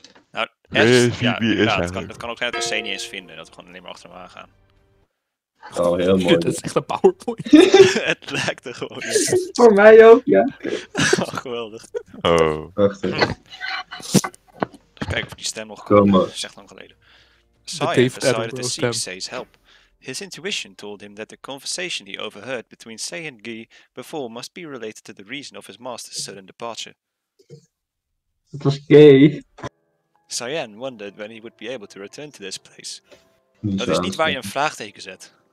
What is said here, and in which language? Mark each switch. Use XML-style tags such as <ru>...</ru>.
<nl>Nou, S, het kan ook zijn dat we C niet eens vinden, dat we gewoon alleen maar achter hem aangaan. Oh, heel mooi. Dat is echt een powerpoint. Het lijkt er gewoon. Voor mij ook, ja. Oh, geweldig. Oh. Wachtig. Even kijken of die stem nog komt. Dat is echt lang geleden.</nl> <en>Sire decided to seek Say's help. His intuition told him that the conversation he overheard between Say and Guy before must be related to the reason of his master's sudden departure.</en> <nl>Het was gay.</nl> <en>Cyan wondered when he would be able to return to this place.</en> <nl>Dat is niet waar je een vraagteken zet.</nl>